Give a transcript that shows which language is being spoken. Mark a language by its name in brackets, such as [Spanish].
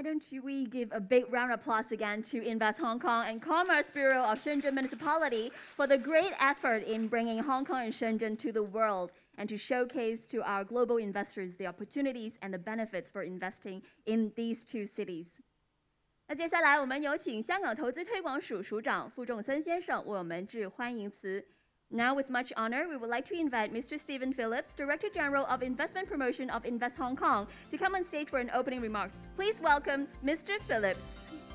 [English] Should we give a big round of applause again to Invest Hong Kong and Commerce Bureau of Shenzhen Municipality for the great effort in bringing Hong Kong and Shenzhen to the world and to showcase to our global investors the opportunities and the benefits for investing in these two cities. [Chinese] 那接下来我们有请香港投资推广署署长傅仲森先生为我们致欢迎词。 [English] Now, with much honor, we would like to invite Mr. Stephen Phillips, Director General of Investment Promotion of Invest Hong Kong, to come on stage for an opening remarks. Please welcome Mr. Phillips.